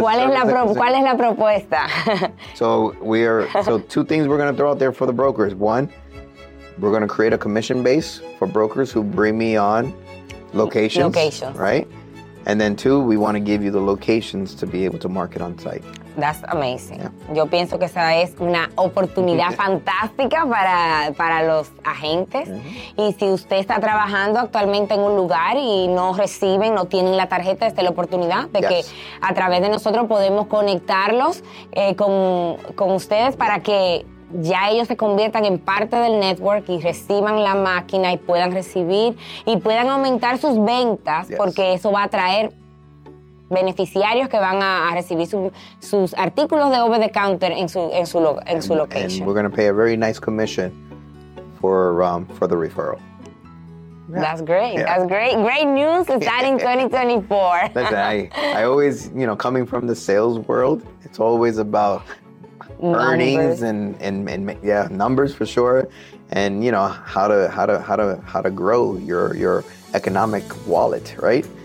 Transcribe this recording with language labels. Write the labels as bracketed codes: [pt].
[es] ¿Cuál es la propuesta? [en] So two things we're going to throw out there for the brokers. One, we're going to create a commission base for brokers who bring me on locations. Locations. Right? And then two, we want to give you the locations to be able to market on site. That's amazing. Yeah. [es] Yo pienso que esa es una oportunidad fantástica para los agentes. Mm-hmm. Y si usted está trabajando actualmente en un lugar y no reciben, no tienen la tarjeta, esta es la oportunidad de que a través de nosotros podemos conectarlos con ustedes para que ya ellos se conviertan en parte del network y reciban la máquina y puedan recibir y puedan aumentar sus ventas porque eso va a traer beneficiarios que van a recibir sus artículos de [en] over the counter [es] en su location. [en] And we're going to pay a very nice commission for the referral. Yeah. That's great. Yeah. That's great. Great news starting 2024. Listen, I always, you know, coming from the sales world, it's always about numbers. Earnings and numbers for sure, and you know how to grow your economic wallet, right?